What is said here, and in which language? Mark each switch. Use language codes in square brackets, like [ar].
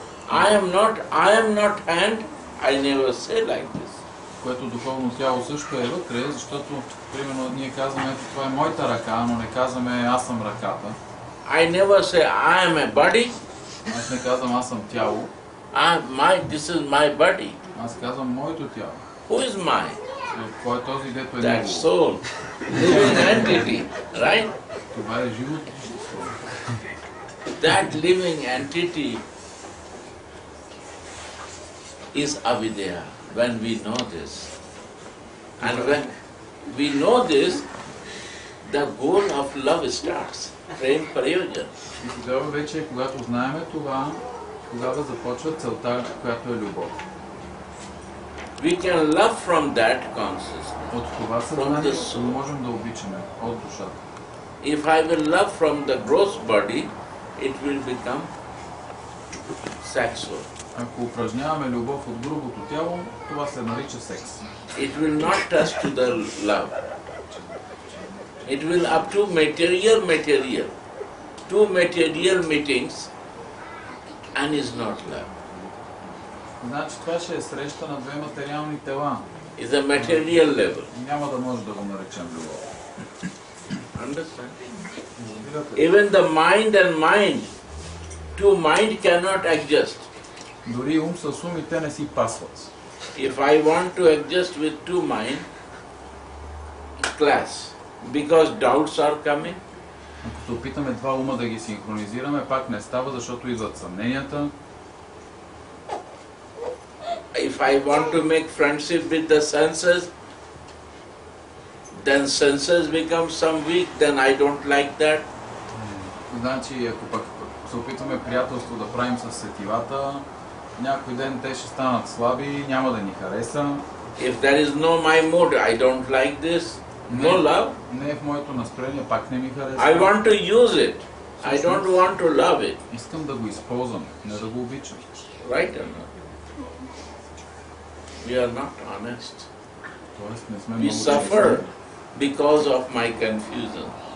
[en] I am not hand, I never say like this. [bg] Което духовно тяло също е вътре, защото, примерно, ние казваме, това е моята ръка, но не казваме аз съм ръката. [en] I never say I am a body. [bg] Аз не казвам аз съм тяло. [en] This is my body. [bg] Аз казвам моето тяло. [en] Who is my? [bg] Кой е този, дето е [en] That soul. Living entity, right? [bg] Това е живото. [en] That living entity is avidya. When we know this, and when we know this, the goal of love starts. [sa] Prem prayojan. [bg] И тогава вече, когато знаеме това, тогава започва целта, която е любов. [en] We can love from that consciousness. [bg] От това съзнание можем да обичаме от душата. [en] If I will love from the gross body, it will become sexual. [bg] Ако упражняваме любов от грубото тяло, това се нарича секс. [en] It will not touch to the love. It will up to material. Two material meetings and is not love. [bg] Значи това ще е среща на две материални тела. [en] Is a material level. [bg] Няма да може да го наречем любов. [en] Understand? Even the mind and mind, two mind cannot adjust. [bg] Дори ум с суми, те не си пасват. [en] If I want to adjust with two mind, class. Because doubts are coming. [bg] Ако се опитаме два ума да ги синхронизираме, пак не става, защото идват съмненията. [en] If I want to make friendship with the senses, then senses become some weak, then I don't like that. [bg] Значи, ако пък се опитваме приятелство да правим с сетивата, някой ден те ще станат слаби, няма да ни хареса. [en] If there is no my mood, I don't like this. No love. [bg] Не е в моето настроение, пак не ми хареса. [en] I want to use it. I don't want to love it. [bg] Искам да го използвам, не да го обичам. [en] Right or not? We are not honest. We suffer because of my confusion.